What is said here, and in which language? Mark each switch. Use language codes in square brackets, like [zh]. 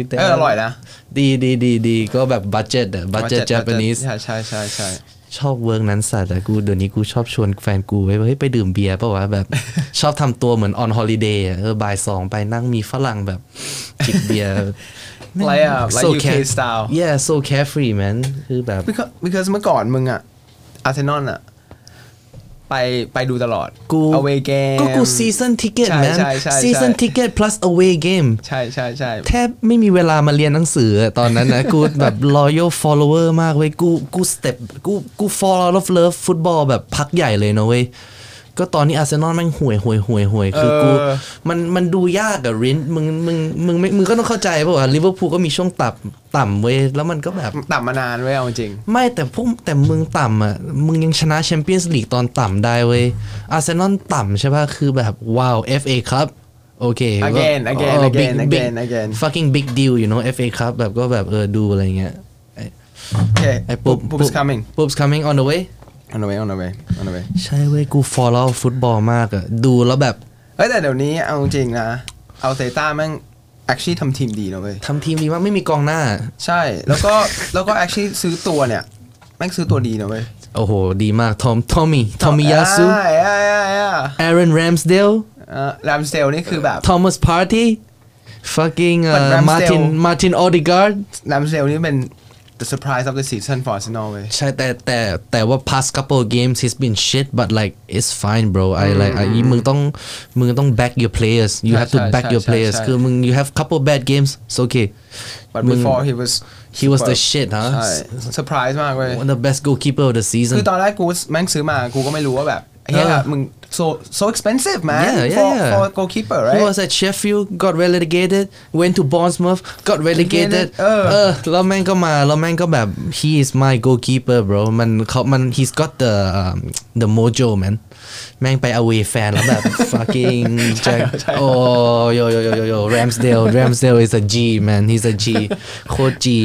[th] เอออร่อยนะ ดีๆๆๆก็แบบบัดเจ็ตบัดเจ็ตญี่ปุ่น ใช่ใช่ใช่ ชอบเวิร์กนั้นสัตว์อ่ะกูเดี๋ยวนี้กูชอบชวนแฟนกูไปเฮ้ยไปดื่มเบียร์ป่ะวะแบบชอบทำตัวเหมือนออนฮอลิเดย์เออบ่าย2ไปนั่งมีฝรั่งแบบจิบเบียร์ [en] like so UK style yeah so carefree man [th] คือแบบ [en] because [th] เมื่อก่อนมึงอ่ะอาร์เซนอลอ่ะไปดูตลอด กู [en] away game [th] กู [en] season ticket man season ticket plus away game [th] ใช่ใช่ใ ช่แทบไม่มีเวลามาเรียนหนังสือตอนนั้นนะกูแบบ [en] loyal follower [th] มากเว้ยกู step กู [en] fall out of love [th] ฟุตบอลแบบพักใหญ่เลยนะเว้ยก็ตอนนี้อาร์เซนอลแม่งห่วยคือกูมันดูยากอะริ้นมึงก็ต้องเข้าใจป่าวว่าลิเวอร์พูลก็มีช่วงต่ำเว้ยแล้วมันก็แบบ ต่ำมานานเว้ยเอาจริง ไม่แต่มึงต่ำอะมึงยังชนะแชมเปี้ยนส์ลีกตอนต่ำได้เว้ยอาร์เซนอลต่ำใช่ป่ะคือแบบว้าว FA ครับโอเค [en] again [th] fucking big deal you know FA ครับแบบก็แบบเออดูอะไรเงี้ย โอเค [en] Pup's coming on the way On the way. [th] ใช่เว้ยกู follow ฟุตบอลมากอะดูแล้วแบบ เฮ้ยแต่เดี๋ยวนี้เอาจริงนะเอาเซต้าแม่ง actually ทำทีมดีนะเว้ย ทำทีมดีมากไม่มีกองหน้า ใช่แล้วก็ actually ซื้อตัวเนี่ยแม่งซื้อตัวดีนะเว้ย โอ้โหดีมากทอมมี่ยาซู ใช่ [en] Aaron Ramsdale [th] Ramsdale นี่คือแบบ [en] Thomas Partey fucking Martin Odegaard Ramsdale [th] นี่เป็น [en] the surprise of the season for Arsenal เว้ย [th] ใช่แต่ว่า [en] past couple of games he's been shit but like it's fine bro I like [th] มึงต้อง [en] back your players you have to back your players [th] คือมึง [en] you have couple bad games it's okay but before he was the shit huh [th] surprise มากเว้ย [en] one of the best goalkeeper of the season [th] คือตอนแรกกูแม่งซื้อมากูก็ไม่รู้ว่าแบบเฮ้ยมึง [en] so expensive man for goalkeeper right he was at Sheffield got relegated went to Bournemouth got relegated [th] แล้วแม่งก็มาแล้วแม่งก็แบบ [en] he is my goalkeeper bro มัน he's got the mojo man [th] แม่งไป [en] away fan แล้วแบบ fucking Jack oh yo Ramsdale is a G man he's a G โคตร G